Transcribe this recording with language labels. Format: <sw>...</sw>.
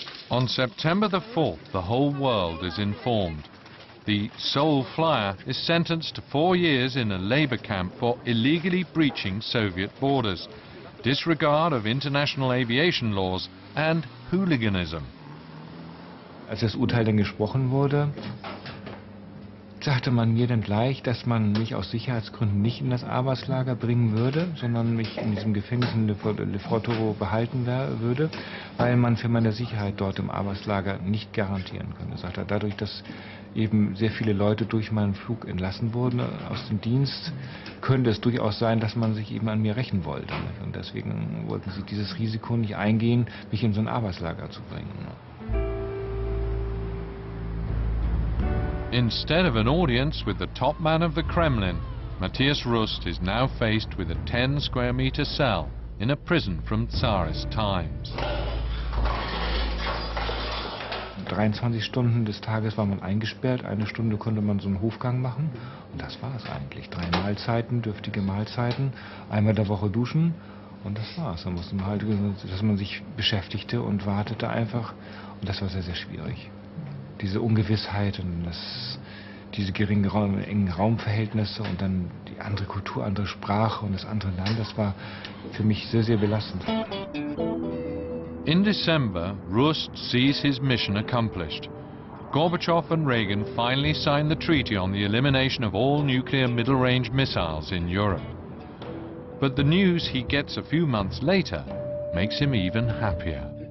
<en>On September the 4th, the whole world is informed. The Soul Flyer is sentenced to 4 years in a labor camp for illegally breaching Soviet borders, disregard of international aviation laws and hooliganism.</en> <de>Als das Urteil dann gesprochen wurde, sagte man mir dann gleich, dass man mich aus Sicherheitsgründen nicht in das Arbeitslager bringen würde, sondern mich in diesem Gefängnis in Lefortovo behalten würde, weil man für meine Sicherheit dort im Arbeitslager nicht garantieren könnte. Sagt er, dadurch, dass eben sehr viele Leute durch meinen Flug entlassen wurden aus dem Dienst, könnte es durchaus sein, dass man sich eben an mir rächen wollte. Und deswegen wollten sie dieses Risiko nicht eingehen, mich in so ein Arbeitslager zu bringen.</de> <en>Instead of an audience with the top man of the Kremlin, Matthias Rust is now faced with a 10-square-meter cell in a prison from Tsarist times.</en> <de>23 Stunden des Tages war man eingesperrt, eine Stunde konnte man so einen Hofgang machen und das war es eigentlich. 3 Mahlzeiten, dürftige Mahlzeiten, einmal der Woche duschen und das war es. Da musste man halt, dass man sich beschäftigte und wartete einfach und das war sehr, sehr schwierig. Diese Ungewissheit und diese geringen engen Raumverhältnisse und dann die andere Kultur, andere Sprache und das andere Land, das war für mich sehr, sehr belastend.</de> <en>In December, Rust sees his mission accomplished. Gorbachev and Reagan finally signed the treaty on the elimination of all nuclear middle-range missiles in Europe. But the news he gets a few months later makes him even happier.</en>